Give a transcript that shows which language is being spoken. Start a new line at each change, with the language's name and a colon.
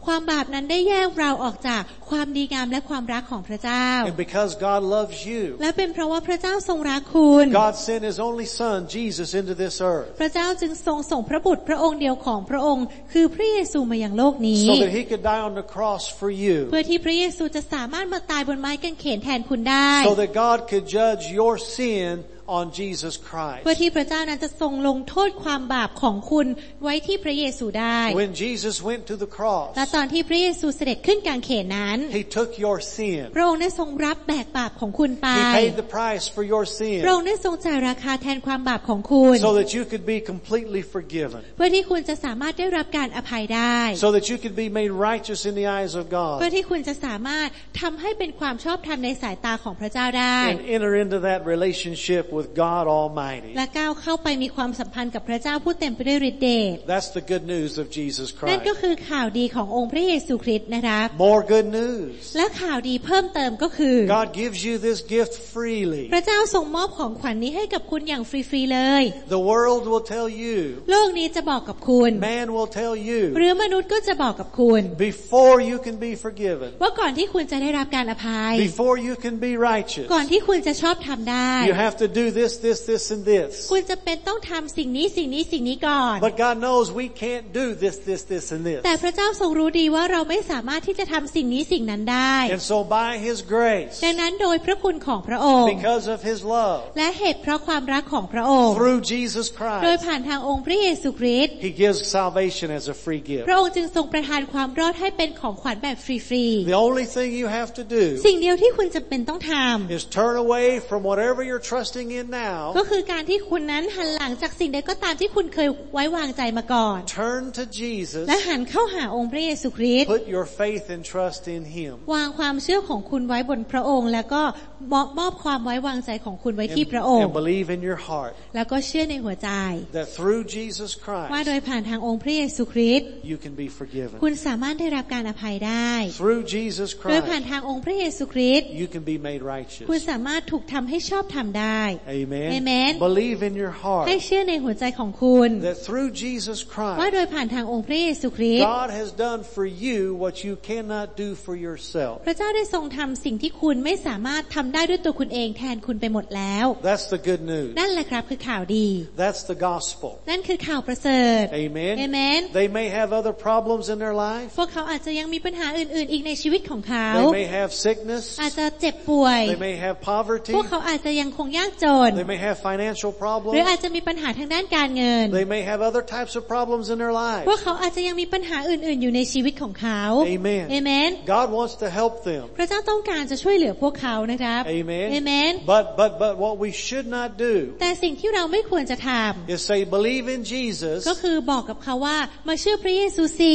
Thai: ความบาปนั้นได้แยกเราออกจากความดีงามและความรักของพระเจ้า
English: And because God loves you.
Thai: และเป็นเพราะว่าพระเจ้าทรงรักคุณ
English: God sent His only Son, Jesus, into this earth.
Thai: พระเจ้าจึงทรงส่งพระบุตรพระองค์เดียวของพระองค์คือพระเยซูมายังโลกนี้
English: So that He could die on the cross for you.
Thai: เพื่อที่พระเยซูจะสามารถมาตายบนไม้กางเขนแทนคุณได้
English: So that God could judge your sin. On Jesus Christ.
Thai: เพื่อที่พระเจ้านั้นจะทรงลงโทษความบาปของคุณไว้ที่พระเยซูได้
English: When Jesus went to the cross.
Thai: และตอนที่พระเยซูเสด็จขึ้นกางเขนนั้น
English: He took your sin.
Thai: พระองค์ได้ทรงรับแบกบาปของคุณไป
English: He paid the price for your sin.
Thai: พระองค์ได้ทรงจ่ายราคาแทนความบาปของคุณ
English: So that you could be completely forgiven.
Thai: เพื่อที่คุณจะสามารถได้รับการอภัยได้
English: So that you could be made righteous in the eyes of God.
Thai: เพื่อที่คุณจะสามารถทำให้เป็นความชอบธรรมในสายตาของพระเจ้าได้
English: And enter into that relationship with God Almighty.
Thai: และก้าวเข้าไปมีความสัมพันธ์กับพระเจ้าผู้เต็มไปด้วยฤทธิ์เดช
English: That's the good news of Jesus Christ.
Thai: นั่นก็คือข่าวดีขององค์พระเยซูคริสต์นะครับ
English: More good news.
Thai: และข่าวดีเพิ่มเติมก็คือ
English: God gives you this gift freely.
Thai: พระเจ้าทรงมอบของขวัญนี้ให้กับคุณอย่างฟรีๆเลย
English: The world will tell you.
Thai: โลกนี้จะบอกกับคุณ
English: Man will tell you.
Thai: หรือมนุษย์ก็จะบอกกับคุณ
English: Before you can be forgiven.
Thai: ว่าก่อนที่คุณจะได้รับการอภัย
English: Before you can be righteous.
Thai: ก่อนที่คุณจะชอบทำได้
English: You have to do this, this, this, and this.
Thai: คุณจะเป็นต้องทำสิ่งนี้สิ่งนี้สิ่งนี้ก่อน
English: But God knows we can't do this, this, this, and this.
Thai: แต่พระเจ้าทรงรู้ดีว่าเราไม่สามารถที่จะทำสิ่งนี้สิ่งนั้นได้
English: And so by His grace.
Thai: ดังนั้นโดยพระคุณของพระองค์
English: Because of His love.
Thai: และเหตุเพราะความรักของพระองค์
English: Through Jesus Christ.
Thai: โดยผ่านทางองค์พระเยซูคริสต์
English: He gives salvation as a free gift.
Thai: พระองค์จึงทรงประทานความรอดให้เป็นของขวัญแบบฟรี
English: ๆ The only thing you have to do.
Thai: สิ่งเดียวที่คุณจะเป็นต้องทำ
English: Is turn away from whatever you're trusting in now.
Thai: ก็คือการที่คุณนั้นหันหลังจากสิ่งใดก็ตามที่คุณเคยไว้วางใจมาก่อน
English: Turn to Jesus.
Thai: และหันเข้าหาองค์พระเยซูคริสต์
English: Put your faith and trust in Him.
Thai: วางความเชื่อของคุณไว้บนพระองค์แล้วก็มอบความไว้วางใจของคุณไว้ที่พระองค์
English: And believe in your heart.
Thai: แล้วก็เชื่อในหัวใจ
English: That through Jesus Christ.
Thai: ว่าโดยผ่านทางองค์พระเยซูคริสต์
English: You can be forgiven.
Thai: คุณสามารถได้รับการอภัยได้
English: Through Jesus Christ.
Thai: โดยผ่านทางองค์พระเยซูคริสต์
English: You can be made righteous.
Thai: คุณสามารถถูกทำให้ชอบทำได้
English: Amen. Amen. Believe in your heart.
Thai: ให้เชื่อในหัวใจของคุณ
English: That through Jesus Christ.
Thai: ว่าโดยผ่านทางองค์พระเยซูคริสต์
English: God has done for you what you cannot do for yourself.
Thai: พระเจ้าได้ทรงทำสิ่งที่คุณไม่สามารถทำได้ด้วยตัวคุณเองแทนคุณไปหมดแล้ว
English: That's the good news.
Thai: นั่นแหละครับคือข่าวดี
English: That's the gospel.
Thai: นั่นคือข่าวประเสริฐ
English: Amen. Amen. They may have other problems in their life.
Thai: พวกเขาอาจจะยังมีปัญหาอื่นๆอีกในชีวิตของเขา
English: They may have sickness.
Thai: อาจจะเจ็บป่วย
English: They may have poverty.
Thai: พวกเขาอาจจะยังคงยากจน
English: They may have financial problems.
Thai: หรืออาจจะมีปัญหาทางด้านการเงิน
English: They may have other types of problems in their life.
Thai: พวกเขาอาจจะยังมีปัญหาอื่นๆอยู่ในชีวิตของเขา
English: Amen. Amen. God wants to help them.
Thai: พระเจ้าต้องการจะช่วยเหลือพวกเขานะครับ
English: Amen. Amen. But what we should not do.
Thai: แต่สิ่งที่เราไม่ควรจะทำ
English: is say believe in Jesus.
Thai: ก็คือบอกกับเขาว่ามาเชื่อพระเยซูสิ